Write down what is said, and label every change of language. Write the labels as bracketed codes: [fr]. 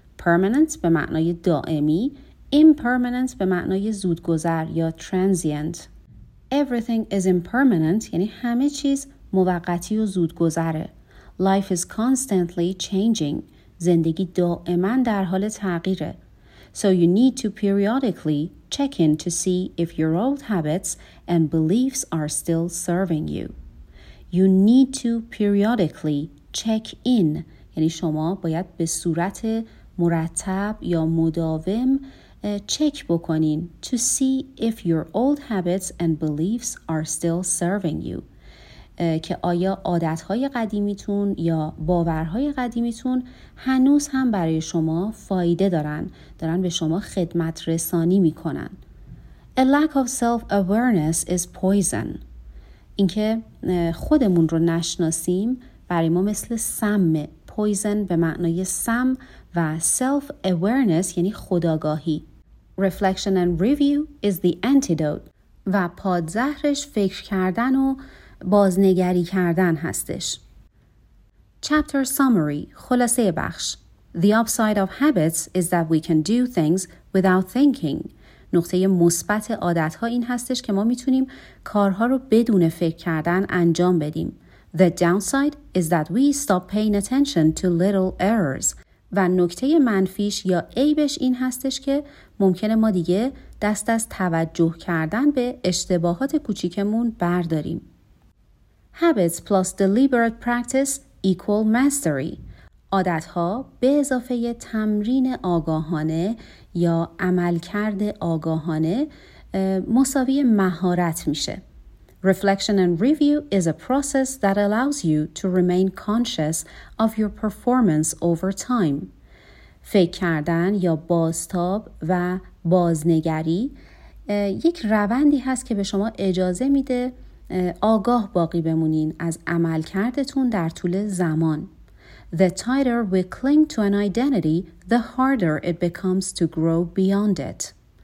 [fa] Permanent به معنای دائمی، impermanent به معنای زودگذر یا transient. [en] Everything is impermanent [fa] یعنی همه چیز موقتی و زودگذره. [en] Life is constantly changing. [fa] زندگی دائما در حال تغییره. [en] So you need to periodically check in to see if your old habits and beliefs are still serving you. You need to periodically check in. [fa] یعنی شما باید به صورت مرتب یا مداوم چک بکنین [en] to see if your old habits and beliefs are still serving you. [fa] که آیا عادتهای قدیمیتون یا باورهای قدیمیتون هنوز هم برای شما فایده دارن به شما خدمت رسانی میکنن. [en] A lack of self-awareness is poison. [fa] اینکه خودمون رو نشناسیم برای ما مثل سمه. Poison به معنای سم و self-awareness یعنی خودآگاهی. [en] Reflection and review is the antidote. [fa] و پادزهرش فکر کردن و بازنگری کردن هستش. [en] Chapter summary، [fa] خلاصه بخش. [en] The upside of habits is that we can do things without thinking. [fa] نقطه مثبت عادت‌ها این هستش که ما میتونیم کارها رو بدون فکر کردن انجام بدیم. [en] The downside is that we stop paying attention to little errors. [fa] و نکته منفیش یا عیبش این هستش که ممکنه ما دیگه دست از توجه کردن به اشتباهات کوچیکمون برداریم. [en] Habits plus deliberate practice equal mastery. [fa] عادت‌ها به اضافه تمرین آگاهانه یا عملکرد آگاهانه مساوی مهارت میشه. [en] Reflection and review is a process that allows you to remain conscious of your performance over time. [fa] فکر کردن یا بازتاب و بازنگری یک روندی هست که به شما اجازه میده آگاه باقی بمونین از عمل کردتون در طول زمان. [en] The tighter we cling to an identity, the harder it becomes to grow beyond it.